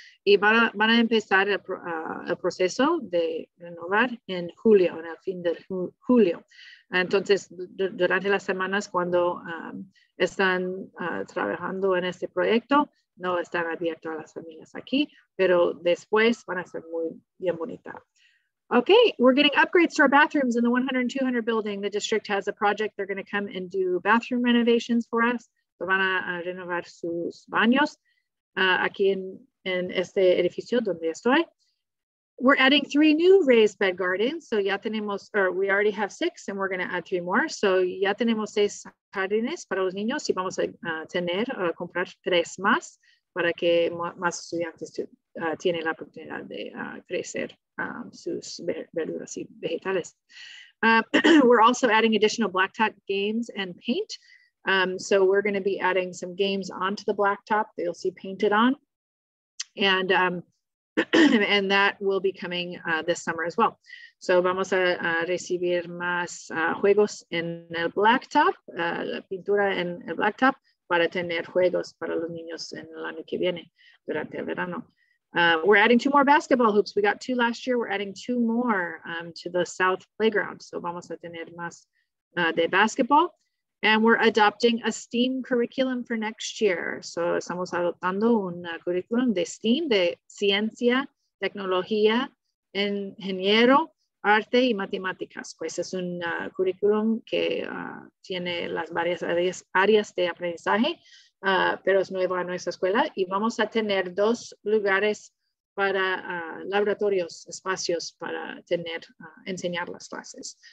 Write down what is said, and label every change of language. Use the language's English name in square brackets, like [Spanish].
[Spanish] Y van a empezar el proceso de renovar en julio, en el fin de julio. Entonces, durante las semanas cuando están trabajando en este proyecto, no están abiertos a las familias aquí, pero después van a ser muy bien bonitas. [English] Okay, we're getting upgrades to our bathrooms in the 100 and 200 building. The district has a project. They're going to come and do bathroom renovations for us. [Spanish] So van a renovar sus baños aquí en este edificio donde estoy. [English] We're adding three new raised bed gardens. So [Spanish] ya tenemos, [English] or we already have six and we're going to add three more. [Spanish] So ya tenemos seis jardines para los niños y vamos a tener o comprar tres más para que más estudiantes tienen la oportunidad de crecer. Sus verduras y vegetales. [English] We're also adding additional blacktop games and paint. So we're going to be adding some games onto the blacktop that you'll see painted on. And and that will be coming this summer as well. [Spanish] So vamos a recibir más juegos en el blacktop, la pintura en el blacktop, para tener juegos para los niños en el año que viene, durante el verano. [English] We're adding two more basketball hoops. We got two last year. We're adding two more to the south playground. So [Spanish] vamos a tener más de basketball. [English] And we're adopting a STEAM curriculum for next year. [Spanish] So estamos adoptando un curriculum de STEAM, de ciencia, tecnología, ingeniero, arte y matemáticas. Pues es un curriculum que tiene las varias áreas de aprendizaje. Pero es nuevo a nuestra escuela y vamos a tener dos lugares para laboratorios, espacios para tener, enseñar las clases.